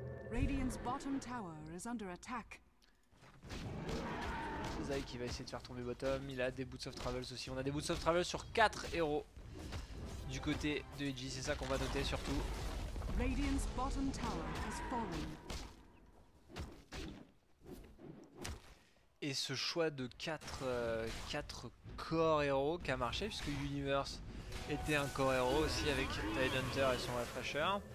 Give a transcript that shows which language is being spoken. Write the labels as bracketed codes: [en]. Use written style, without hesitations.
[en] Radiant's bottom tower is under attack. [fr] Zai qui va essayer de faire tomber bottom. Il a des boots of travels aussi. On a des boots of travels sur 4 héros du côté de Edgy. C'est ça qu'on va noter surtout. [en] Radiant's bottom tower has fallen. [fr] Et ce choix de 4 core héros qui a marché, puisque Universe était un core héros aussi avec Tidehunter et son refresher.